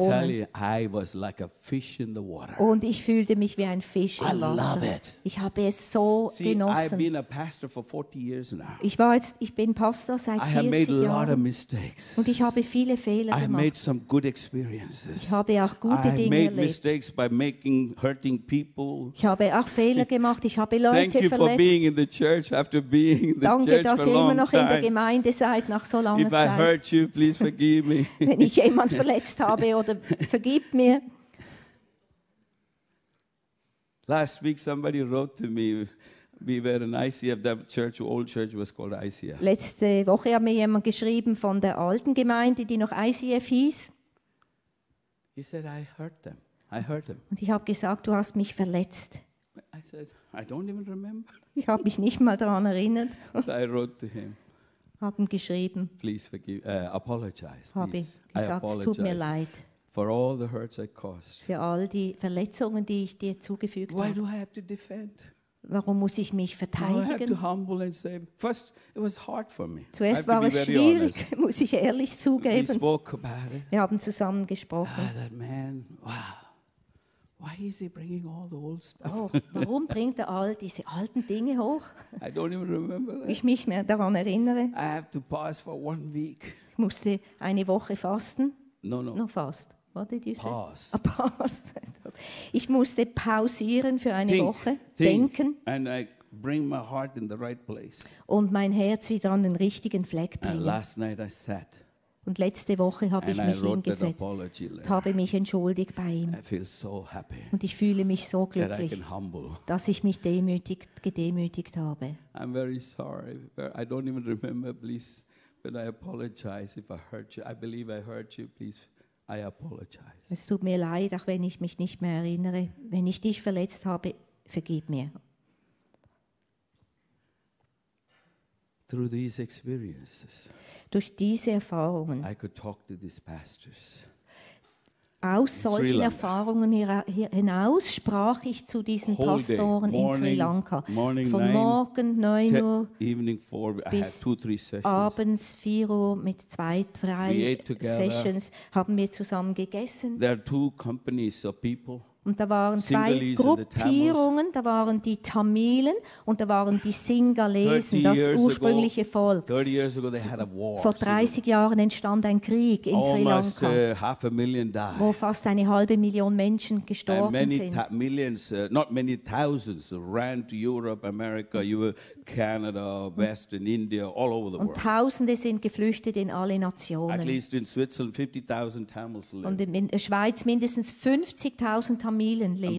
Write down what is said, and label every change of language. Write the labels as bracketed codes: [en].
[en] I tell you, I was like a fish in the water. [de] Und ich fühlte mich wie ein Fisch im Wasser. [en] I love it. [de] Ich habe es so [en] See, [de] genossen. [en] I've been a pastor for 40 years now. [de] Ich bin Pastor seit 40 Jahren. [en] I have made [de] Jahren. [en] A lot of mistakes. [de] Und ich habe viele Fehler gemacht. [en] I have made some good experiences. [de] Ich habe auch gute Dinge erlebt. [en] I made mistakes by making hurting people. [de] Ich habe auch Fehler gemacht. Ich habe Leute verletzt. [en] Thank you for being in the church after being in this [de] Danke, [en] church for a long time. [de] Danke, dass ihr immer noch in der Gemeinde seid nach so langer [en] If [de] Zeit. [en] If I hurt you, please forgive me. [de] Wenn ich jemand verletzt habe oder vergib mir. [en] Last week somebody wrote to me, we were in ICF, that church, old church was called ICF. [de] Letzte Woche hat mir jemand geschrieben von der alten Gemeinde, die noch ICF hieß. [en] He said, I hurt them. I hurt them. [de] Und ich habe gesagt, du hast mich verletzt. [en] I said, I don't even remember. [de] Ich habe mich nicht mal daran erinnert. [en] So I wrote to him. [de] Haben geschrieben. [en] Please forgive, apologize. [de] Habe gesagt, es tut mir leid. [en] For all the hurts I caused. [de] Für all die Verletzungen, die ich dir zugefügt habe. [en] Why do I have to defend? [de] Warum muss ich mich verteidigen? [en] I had to humble and say, first, it was hard for me. [de] Zuerst war es schwierig, muss ich ehrlich zugeben. Wir haben zusammen gesprochen. [en] Ah, that man, wow. Why is he bringing all the old stuff? [de] Oh, warum bringt er all diese alten Dinge hoch? [en] I don't even remember that. [de] Ich mich mehr daran erinnere. [en] I have to pause for 1 week. [de] Ich musste eine Woche fasten. [en] No, fast. What did you pause. Say? Pause. [de] Ich musste pausieren für eine Woche. Denken. [en] And I bring my heart in the right place. [de] Und mein Herz wieder an den richtigen Fleck bringen. [en] And last night I sat. [de] Und letzte Woche habe ich mich hingesetzt und habe mich entschuldigt bei ihm. [en] So happy, [de] und ich fühle mich so glücklich, dass ich mich gedemütigt habe. [en] I'm very sorry. I don't even remember, please, but I apologize if I hurt you. I believe I hurt you, please. I apologize. [de] Es tut mir leid, auch wenn ich mich nicht mehr erinnere. Wenn ich dich verletzt habe, vergib mir. [en] Through these experiences. [de] Durch diese Erfahrungen, [en] I could talk to these pastors [de] aus solchen Erfahrungen hinaus, sprach ich zu diesen Pastoren in Sri Lanka. Von morgen 9 Uhr bis abends 4 Uhr mit 2-3 Sessions haben wir zusammen gegessen. [en] There are two companies of people. [de] Und da waren zwei Gruppierungen, da waren die Tamilen und da waren die Singalesen, das ursprüngliche Volk. Vor 30 Jahren entstand ein Krieg in Sri Lanka, [en] half a million died. [de] Wo fast eine halbe Million Menschen gestorben [en] and many [de] sind. [en] Millions, not many thousands, ran to Europe, America, Canada, Western India, all over the world. [de] Und Tausende sind geflüchtet in alle Nationen. [en] At least in Switzerland, 50,000 Tamils live. [de] Und in der Schweiz mindestens 50,000 Tamilen leben.